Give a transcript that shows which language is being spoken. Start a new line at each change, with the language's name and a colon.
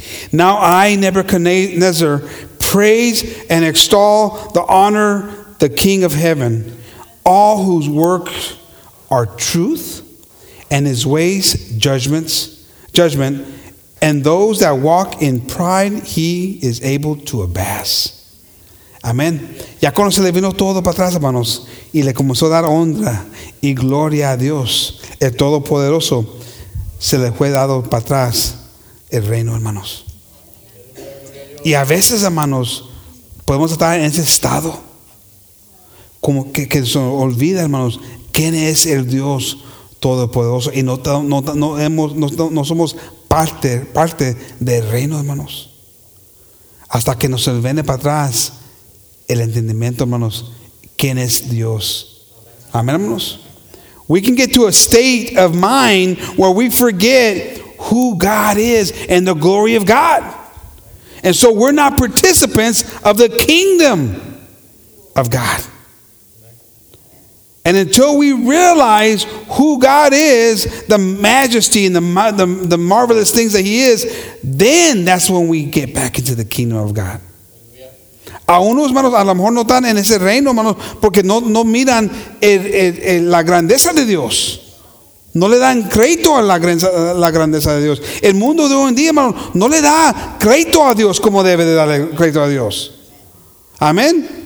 English: Now I, Nebuchadnezzar, praise and extol the honor, the King of heaven, all whose works are truth, and his ways judgment, and those that walk in pride, he is able to abase.
Spanish: Amén. Ya cuando se le vino todo para atrás, hermanos, y le comenzó a dar honra y gloria a Dios, el Todopoderoso, se le fue dado para atrás el reino, hermanos. Y a veces, hermanos, podemos estar en ese estado, como que se olvida, hermanos, quién es el Dios Todopoderoso, y no somos parte del reino, hermanos. Hasta que nos viene para atrás el entendimiento, hermanos, quién es Dios. Amén, hermanos.
English: We can get to a state of mind where we forget who God is and the glory of God. And so we're not participants of the kingdom of God. And until we realize who God is, the majesty and the marvelous things that he is, then that's when we get back into the kingdom of God.
Spanish: A unos, hermanos, a lo mejor no están en ese reino, hermanos, porque no miran la grandeza de Dios. No le dan crédito a la grandeza de Dios. El mundo de hoy en día, hermanos, no le da crédito a Dios como debe de darle crédito a Dios. Amén.